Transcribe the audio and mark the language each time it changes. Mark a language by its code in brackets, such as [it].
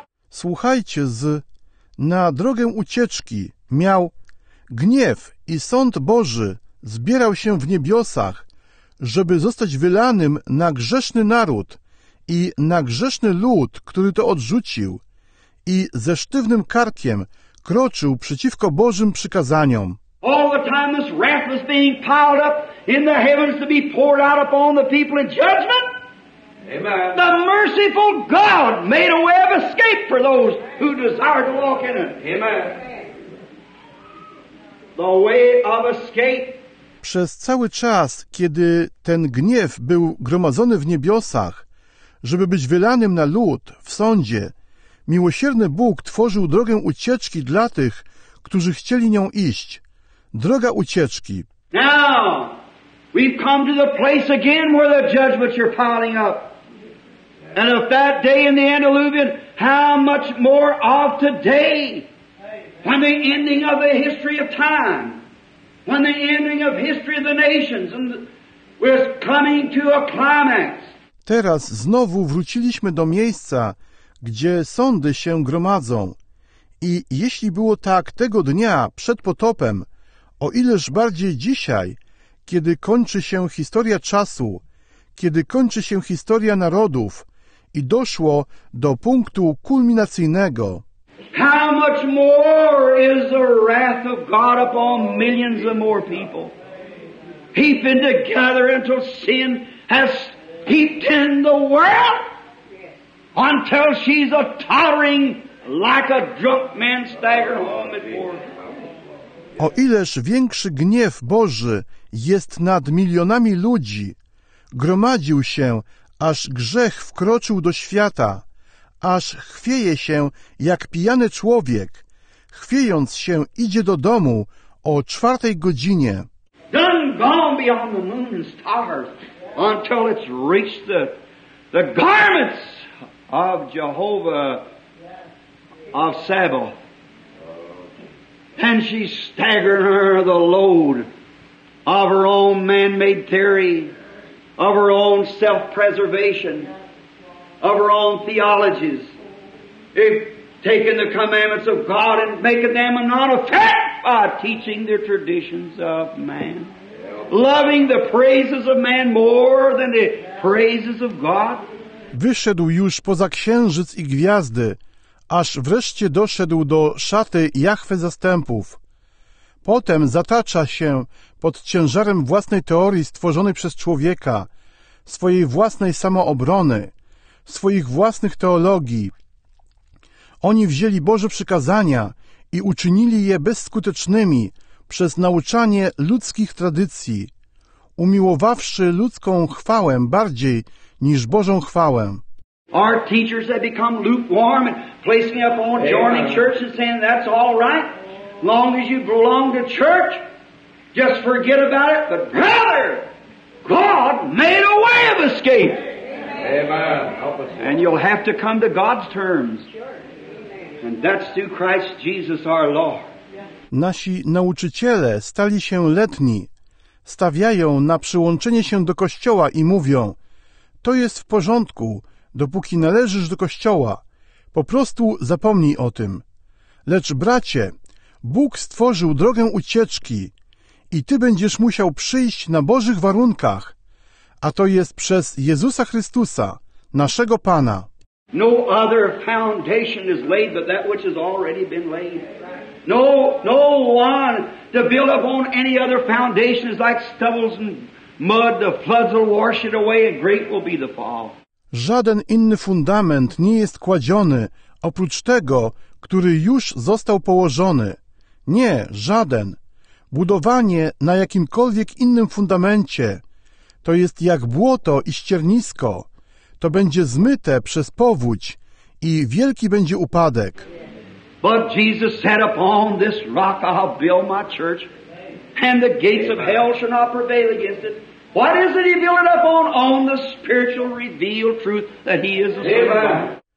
[pl] Słuchajcie, na drogę ucieczki miał gniew i sąd Boży zbierał się w niebiosach, żeby zostać wylanym na grzeszny naród i na grzeszny lud, który to odrzucił i ze sztywnym karkiem kroczył przeciwko Bożym przykazaniom. [en] All the time this wrath was being piled up in the heavens to be poured out upon the people in judgment. Amen. The merciful God made a way of escape for those who desire to walk in it. Amen. The way of escape. [pl] Przez cały czas, kiedy ten gniew był gromadzony w niebiosach, żeby być wylanym na lud w sądzie, miłosierny Bóg tworzył drogę ucieczki dla tych, którzy chcieli nią iść. Droga ucieczki. [en] Now, we've come to the place again where the judgments are piling up. And of that day in the antediluvian, how much more of today, when the ending of the history of time, when the ending of history of the nations and was coming to a climax. [pl] Teraz znowu wróciliśmy do miejsca, gdzie sądy się gromadzą. I jeśli było tak tego dnia przed potopem, o ileż bardziej dzisiaj, kiedy kończy się historia czasu, kiedy kończy się historia narodów, i doszło do punktu kulminacyjnego. [en] How much more is the wrath of God upon millions of more people? Heaping together until sin has heaped in the world until she's a tottering like a drunk man staggered home at war. [pl] O ileż większy gniew Boży jest nad milionami ludzi, gromadził się, aż grzech wkroczył do świata, aż chwieje się jak pijany człowiek, chwiejąc się idzie do domu o 4:00. [en] Done gone beyond the moon and stars until it's reached the garments of Jehovah of Sabaoth. And she staggered under the load of her own man-made theory. Of her own self-preservation, of her own theologies, if taking the commandments of God and making them a non-effect by teaching the traditions of man, loving the praises of man more than the praises of God. [pl] Wyszedł już poza księżyc i gwiazdy, aż wreszcie doszedł do szaty Jahwe zastępów. potem zatacza się pod ciężarem własnej teorii stworzonej przez człowieka, swojej własnej samoobrony, swoich własnych teologii. Oni wzięli Boże przykazania i uczynili je bezskutecznymi przez nauczanie ludzkich tradycji, umiłowawszy ludzką chwałę bardziej niż Bożą chwałę. [en] Our teachers have become lukewarm and placing up on joining church and saying that's all right. Long as you belong to church, just forget about it. But brother, God made a way of escape. Amen. Help us. And you'll have to come to God's terms. And that's through Christ Jesus our Lord. [pl] Nasi nauczyciele stali się letni, stawiają na przyłączenie się do Kościoła i mówią, to jest w porządku, dopóki należysz do Kościoła, po prostu zapomnij o tym. Lecz bracie, Bóg stworzył drogę ucieczki i ty będziesz musiał przyjść na Bożych warunkach, a to jest przez Jezusa Chrystusa, naszego Pana. [en] No other foundation is laid but that which has already been laid. No, no one to build upon any other foundation is like stubbles and mud. The floods will wash it away and great will be the fall. [pl] Żaden inny fundament nie jest kładziony oprócz tego, który już został położony. Nie, żaden. Budowanie na jakimkolwiek innym fundamencie to jest jak błoto i ściernisko. To będzie zmyte przez powódź i wielki będzie upadek. [en] But Jesus said, upon this rock I'll build my church, and the gates of hell shall not prevail against it. What is it he built it up on? On the spiritual revealed truth that he is the Son of God.